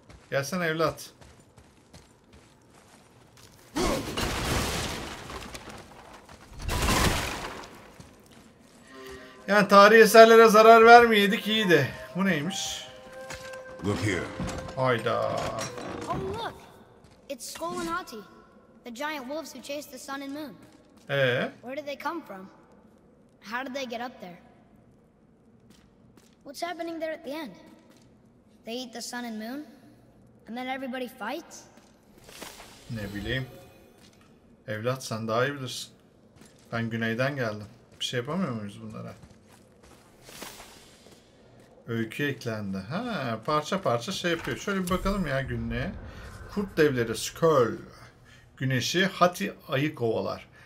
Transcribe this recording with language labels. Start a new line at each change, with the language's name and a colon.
Turkish: Gelsene evlat. Yani tarihi eserlere zarar vermeyedik iyiydi. Bu neymiş?
English: Look here.
Turkish: Hayda.
English: Oh look, it's Skoll and Hati, the giant wolves who chase the sun and moon. Where did they come from? How did they get up there? What's happening there at the end? They eat the sun and moon, and then everybody fights.
Turkish: Ne bileyim. Evlat, sen daha iyi bilirsin. Ben güneyden geldim. Bir şey yapamıyor muyuz bunlara? Öykü eklendi. Ha, parça parça şey yapıyor. Şöyle bir bakalım ya günlüğe. Kurt devleri Skoll. Güneşi Hati ayı kovalar.